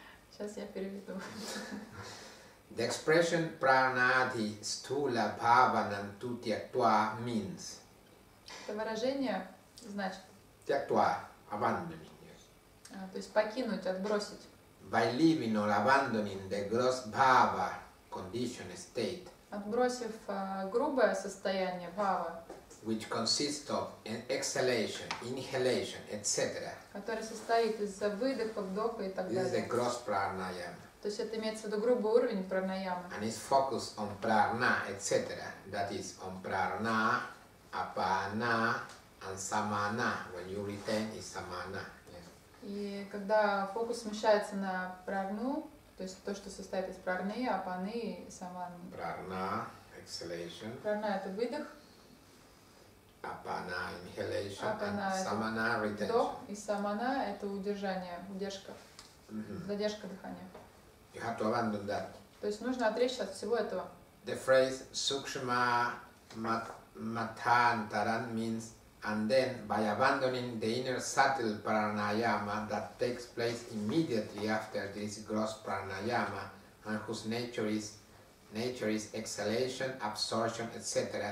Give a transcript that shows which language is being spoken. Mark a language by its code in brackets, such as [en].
[ru] Сейчас я переведу. [en] The expression [sa] прарнадхи стула бхаванам ту тяктуа [en] means. [ru] Это выражение значит? [en] Тяктуа, abandoning. [ru] То есть покинуть, отбросить. [en] By leaving or abandoning the gross bhava, condition state, [ru] отбросив грубое состояние бхава, [en] which consists of exhalation, inhalation, etc., [ru] которое состоит из выдоха, вдоха и так далее. [en] This is the gross pranayama. [ru] То есть это имеется в виду грубый уровень пранаямы. [en] And it's focused on prana, etc., that is on prana, apana, and samana. When you retain is samana. [ru] И когда фокус смещается на прану, то есть то, что состоит из прарны, апаны и саманы. [en] Прарна, exhalation. [ru] Прарна – это выдох. [en] Апана – inhalation. [ru] Апана – это вдох. И самана – это удержание, удержка. Mm-hmm. Задержка дыхания. [en] You have to abandon that. [ru] То есть нужно отречься от всего этого. [en] The phrase sukshma matantaran means and then by abandoning the inner subtle pranayama that takes place immediately after this gross pranayama and whose nature is exhalation, absorption, etc.